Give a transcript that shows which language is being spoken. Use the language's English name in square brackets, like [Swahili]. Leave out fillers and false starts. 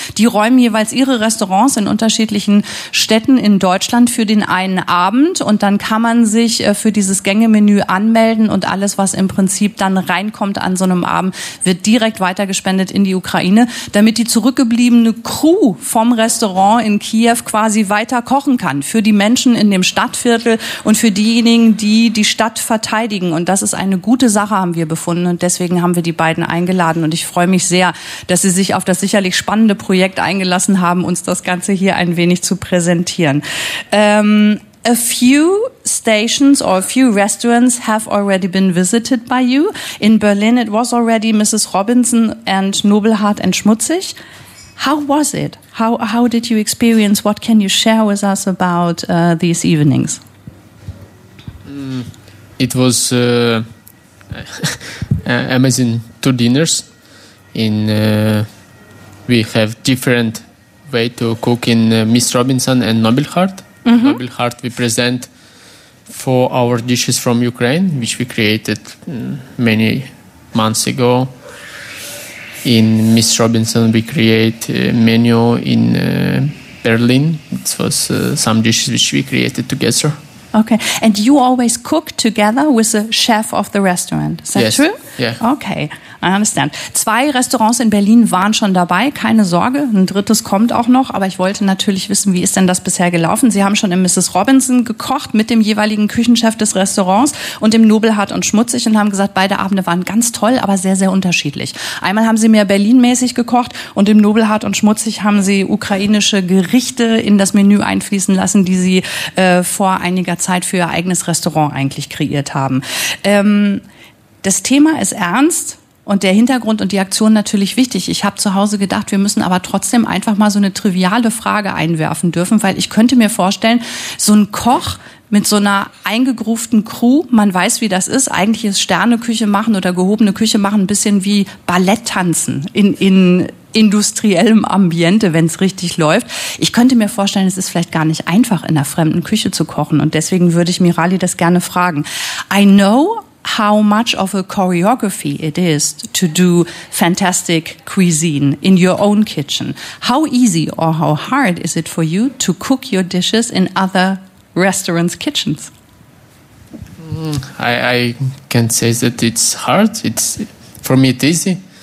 [German] Die räumen jeweils ihre Restaurants in unterschiedlichen Städten in Deutschland für den einen Abend und dann kann man sich für dieses Gängemenü anmelden und alles, was im Prinzip dann reinkommt an so einem Abend, wird direkt weitergespendet in die Ukraine, damit die zurückgebliebene Crew vom Restaurant in Kiew quasi weiter kochen kann für die Menschen in dem Stadtviertel und für diejenigen, die die Stadt verteidigen. Und das ist eine gute Sache, haben wir befunden und deswegen haben wir die beiden eingeladen und ich freue mich sehr, dass sie sich auf das sicherlich spannende Projekt eingelassen haben, uns das Ganze hier ein wenig zu präsentieren. [English] A few stations or a few restaurants have already been visited by you. In Berlin, it was already Mrs. Robinson and Nobelhart and Schmutzig. How was it? How did you experience? What can you share with us about these evenings? It was amazing two dinners. In we have different way to cook in Miss Robinson and Nobelhart. Mm-hmm. Nobelhart, we present four our dishes from Ukraine, which we created many months ago. In Miss Robinson, we create a menu in Berlin. It was some dishes which we created together. Okay, and you always cook together with the chef of the restaurant. Is that yes. true? Yeah. Okay. I understand. [German] Zwei Restaurants in Berlin waren schon dabei, keine Sorge, ein drittes kommt auch noch, aber ich wollte natürlich wissen, wie ist denn das bisher gelaufen? Sie haben schon in Mrs. Robinson gekocht mit dem jeweiligen Küchenchef des Restaurants und dem Nobelhart und Schmutzig und haben gesagt, beide Abende waren ganz toll, aber sehr, sehr unterschiedlich. Einmal haben sie mehr Berlin-mäßig gekocht und im Nobelhart und Schmutzig haben sie ukrainische Gerichte in das Menü einfließen lassen, die sie vor einiger Zeit für ihr eigenes Restaurant eigentlich kreiert haben. Das Thema ist ernst. Und der Hintergrund und die Aktion natürlich wichtig. Ich habe zu Hause gedacht, wir müssen aber trotzdem einfach mal so eine triviale Frage einwerfen dürfen, weil ich könnte mir vorstellen, so ein Koch mit so einer eingegrooften Crew, man weiß, wie das ist. Eigentlich ist Sterneküche machen oder gehobene Küche machen ein bisschen wie Balletttanzen in industriellem Ambiente, wenn es richtig läuft. Ich könnte mir vorstellen, es ist vielleicht gar nicht einfach, in einer fremden Küche zu kochen. Und deswegen würde ich Mirali das gerne fragen. [English] I know how much of a choreography it is to do fantastic cuisine in your own kitchen. How easy or how hard is it for you to cook your dishes in other restaurants' kitchens? I can say that it's hard. It's for me it's easy